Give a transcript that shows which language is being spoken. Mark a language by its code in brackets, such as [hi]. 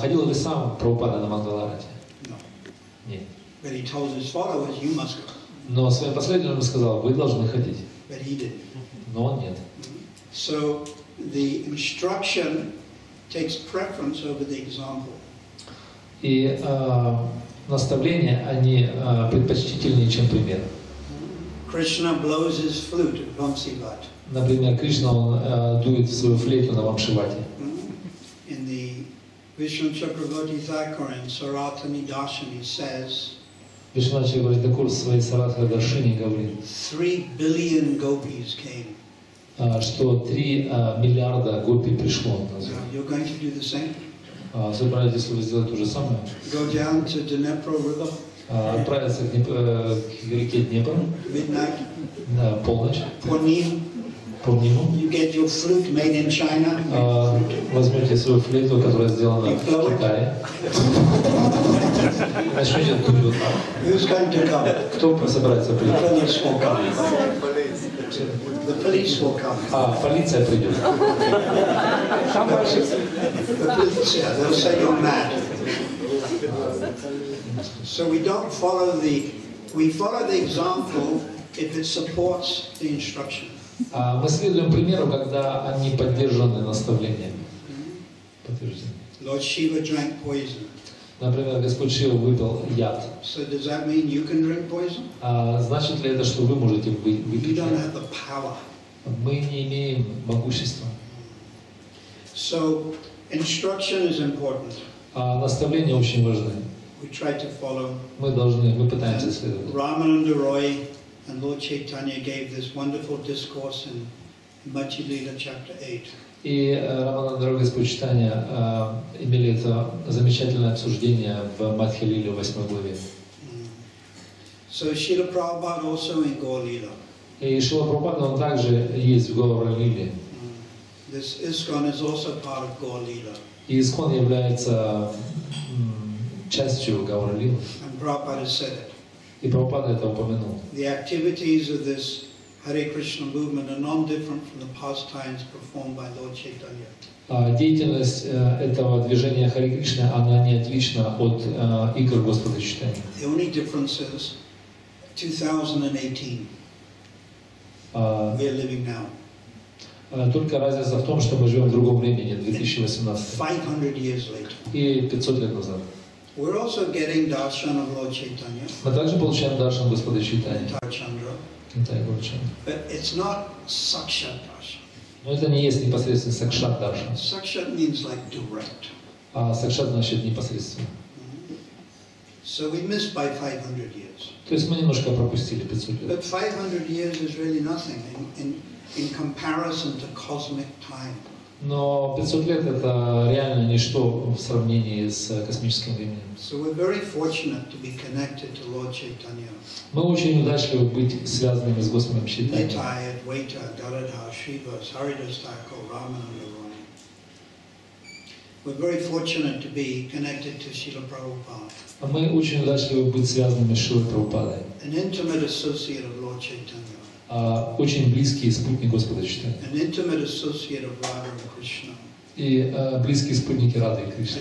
[ru] Ходил ли сам Прабхупада на Мангал Арати? [en] No. [ru] Нет. [en] But he told his followers, you must go. [ru] Но своим последователям сказал, вы должны ходить. [en] But he did. [ru] Но он нет. [en] So the instruction takes preference over the example. [ru] И наставления, они предпочтительнее, чем пример. [en] Krishna blows his flute at Vamsivat. [ru] Например, Кришна дует свою флейту на Вамшивате. [en] In the Vishnu Chakravarti Thakur in Saratani Dashini says. [ru] Vishnu Chakravarti Thakur в своей Саратхани Дашини говорит. [en] 3 billion gopis came. [ru] Что 3 миллиарда гопи пришло. [en] You're going to do the same? [ru] Собираетесь вы сделать то же самое? [en] Go down to Dnepro River. [ru] Отправиться к реке Днепр. [en] Midnight. [ru] Да, полночь. [en] Пурниму. You get your flute made in China. [ru] Возьмете свою флейту, которая сделана в Китае. А что идет тут вот так? [en] Who's going to come? [ru] Кто собирается прийти? [en] The police will come. The police will come. [ru] Полиция придет. Там ваши. [en] The police, they'll say you're mad. So we don't follow the, we follow the example if it supports the instruction. [ru] Мы следуем примеру, когда они поддержаны наставлениями. [en] Lord Shiva drank poison. [ru] Например, Господь Шива выпил яд. [en] So does that mean you can drink poison? [ru] Значит ли это, что вы можете выпить? [en] We don't have the power. [ru] Мы не имеем могущества. [en] So Instruction is important. [ru] А наставление очень важно. [en] We try to follow. [ru] Мы пытаемся следовать. [en] Рамананда Рой and Lord Chaitanya gave this wonderful discourse in Мачилила chapter 8. [ru] И Рамананда Рой Господь Читания имели это замечательное обсуждение в Мачилиле 8 главе. [en] So Srila Prabhupada also in Gaur-lila. [ru] И Шрила Прабхупада, он также есть в Гаур-лиле. [en] This ISKCON is also part of Gaur-lila. [ru] И ISKCON является частью Гаур-лилы. [en] And Prabhupada said it. [ru] И Прабхупада это упомянул. [en] The activities of this Hare Krishna movement are non-different from the pastimes performed by Lord Chaitanya. [ru] Деятельность этого движения Харе Кришна, она не отлична от игр Господа Читания. [en] The only difference is 2018. We are living now. [ru] Только разница в том, что мы живем в другом времени, 2018. [en] 500 years later. [ru] И 500 лет назад. [en] We're also getting darshan of Lord Chaitanya. [ru] Мы также получаем даршан Господа Чайтаньи. Тарчандра. Тарчандра. [en] But it's not сакшат даршан. [ru] Но это не есть непосредственно сакшат даршан. [en] Сакшат means like direct. [ru] А сакшат значит непосредственно. [en] So we missed by 500 years. [ru] То есть мы немножко пропустили 500 лет. [en] But 500 years is really nothing in comparison to cosmic time. [ru] Но 500 лет это реально ничто в сравнении с космическим временем. [en] So we're very fortunate to be connected to Lord Chaitanya. [ru] Мы очень удачливы быть связанными с Господом Чайтаньей. [en] Nitya, Advaita, Gadadhara, Shiva, Haridas Thakur, Ramananda Roy. We're very fortunate to be connected to Srila Prabhupada. [ru] А мы очень удачливы быть связанными с Шрилой Прабхупадой. [en] An intimate associate of Lord Chaitanya. [ru] А очень близкий спутник Господа Чайтаньи. [en] An intimate associate of Radha and Krishna. [ru] И близкие спутники Рады и Кришны.